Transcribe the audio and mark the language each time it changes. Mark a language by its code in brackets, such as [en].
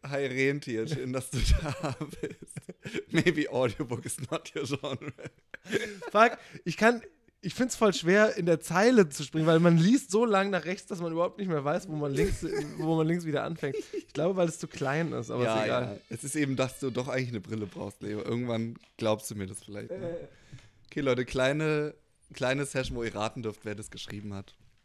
[de] Hi Rentier, schön, dass du da bist. [en] Maybe Audiobook is not your genre. [de] Fuck, ich find's voll schwer, in der Zeile zu springen, weil man liest so lang nach rechts, dass man überhaupt nicht mehr weiß, wo man links wieder anfängt. Ich glaube, weil es zu klein ist, aber ja, ist egal. Ja. Es ist eben, dass du doch eigentlich eine Brille brauchst, Leo. Irgendwann glaubst du mir das vielleicht. Ne? Okay, Leute, kleine Session, wo ihr raten dürft, wer das geschrieben hat.